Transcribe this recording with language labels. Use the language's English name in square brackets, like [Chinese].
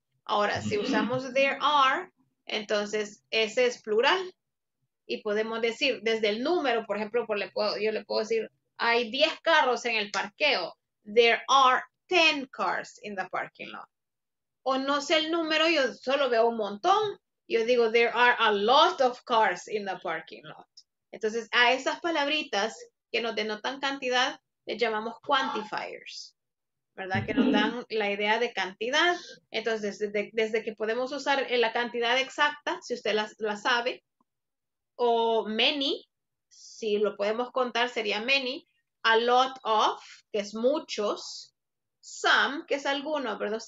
[Spanish] Ahora, si usamos there are, entonces ese es plural. Y podemos decir, desde el número, por ejemplo, yo le puedo decir, hay 10 carros en el parqueo. [English] There are 10 cars in the parking lot. [Spanish] O no sé el número, yo solo veo un montón. Yo digo, [English] there are a lot of cars in the parking lot. [Spanish] Entonces, a esas palabritas que nos denotan cantidad, les llamamos quantifiers, ¿verdad? Que nos dan la idea de cantidad. Entonces, desde que podemos usar la cantidad exacta, si usted la sabe, o many, si lo podemos contar sería many, a lot of, que es muchos, some, que es alguno, ¿verdad?